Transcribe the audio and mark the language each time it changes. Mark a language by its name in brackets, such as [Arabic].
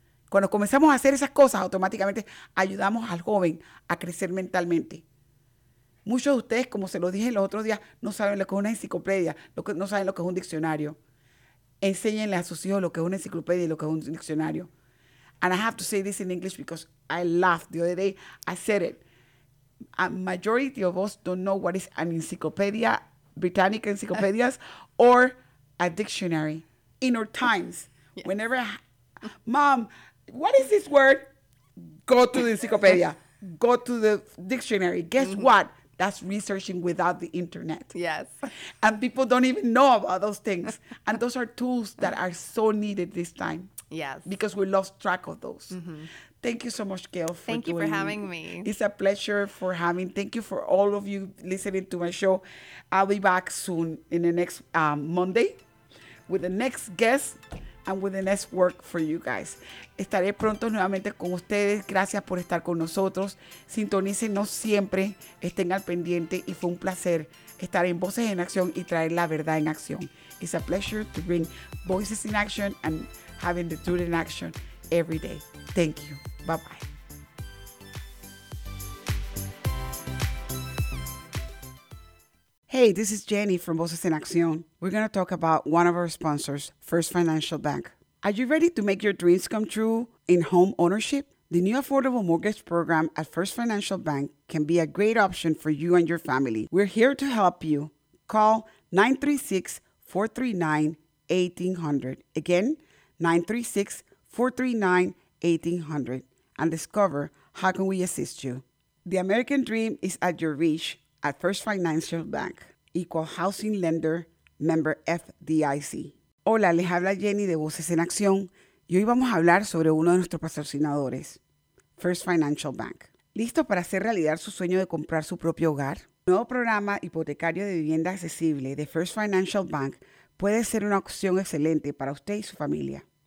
[Spanish] Cuando comenzamos a hacer esas cosas, automáticamente ayudamos al joven a crecer mentalmente. Muchos de ustedes, como se lo dije los otros días, no saben lo que es una enciclopedia, no saben lo que es un diccionario. Enséñenle a sus hijos lo que es una enciclopedia y lo que es un diccionario. [English] And I have to say this in English because I laughed the other day. I said it. A majority of us don't know what is an encyclopedia, Britannic encyclopedias, or a dictionary in our times. Yes. Whenever, mom, what is this word? Go to the encyclopedia. Go to the dictionary. Guess what? That's researching without the internet. Yes. And people don't even know about those things. And those are tools that are so needed this time. Yes. Because we lost track of those. Mm-hmm. Thank you so much, Gayle, for Thank you for having me. It's a pleasure for having. Thank you for all of you listening to my show. I'll be back soon in the next Monday with the next guest and with the next work for you guys. [Spanish] Estaré pronto nuevamente con ustedes. Gracias por estar con nosotros. Sintonícenos siempre. Estén al pendiente. Y fue un placer estar en Voces en Acción y traer la verdad en acción. [English] It's a pleasure to bring Voices in Action and having the truth in action every day. Thank you. Bye-bye. Hey, this is Jenny from Voces en Acción. We're going to talk about one of our sponsors, First Financial Bank. Are you ready to make your dreams come true in home ownership? The new affordable mortgage program at First Financial Bank can be a great option for you and your family. We're here to help you. Call 936-439-1800. Again, 936-439-1800 and discover how can we assist you. The American dream is at your reach at First Financial Bank. Equal Housing Lender, Member FDIC. [Spanish] Hola, les habla Jenny de Voces en Acción y hoy vamos a hablar sobre uno de nuestros patrocinadores, First Financial Bank. ¿Listo para hacer realidad su sueño de comprar su propio hogar? El nuevo programa hipotecario de vivienda accesible de First Financial Bank puede ser una opción excelente para usted y su familia.